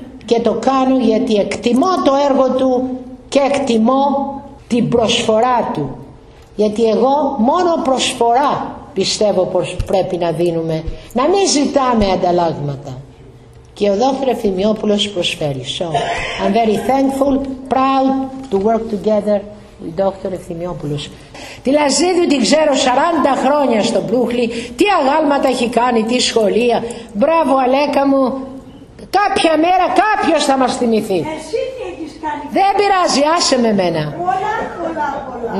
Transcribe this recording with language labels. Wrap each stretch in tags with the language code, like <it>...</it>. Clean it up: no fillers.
<el>και το κάνω γιατί εκτιμώ το έργο του και εκτιμώ την προσφορά του. Γιατί εγώ μόνο προσφορά πιστεύω πως πρέπει να δίνουμε, να μην ζητάμε ανταλλάγματα. Και ο Δόφρε Φημιόπουλος προσφέρει.</el> <en>So, I'm very thankful, proud to work together.</en> <el>Δόκτωρ Ευθυμιόπουλος. Τη Λαζίδου την ξέρω 40 χρόνια στον Μπρούχλι. Τι αγάλματα έχει κάνει, τι σχολεία. Μπράβο Αλέκα μου. Κάποια μέρα κάποιος θα μας θυμηθεί. Εσύ τι έχεις κάνει. Δεν πειράζει, άσε με μένα. Πολλά.</el>